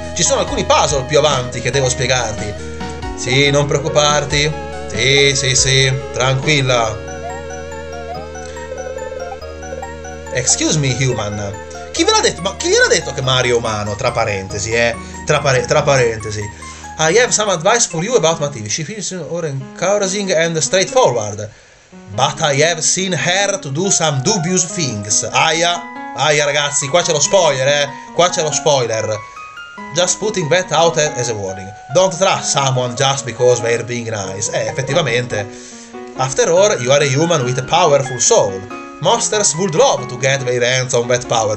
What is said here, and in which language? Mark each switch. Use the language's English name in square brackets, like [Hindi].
[Italian] Ci sono alcuni puzzle più avanti che devo spiegarti. Sì, non preoccuparti. Sì, sì, sì, tranquilla. [English] Excuse me, human. [Italian] Chi ve l'ha detto? Ma chi gliel'ha detto che Mario è umano? Tra parentesi, tra parentesi. [English] I have some advice for you about Matilde. She feels more encouraging and straightforward. But I have seen her to do some dubious things. [Italian] Aia, aia ragazzi, qua c'è lo spoiler, Qua c'è lo spoiler. [English] Just putting that out as a warning. Don't trust someone just because they're being nice. [Italian] Effettivamente. [English] After all, you are a human with a powerful soul. Monsters would love to get their hands on that power.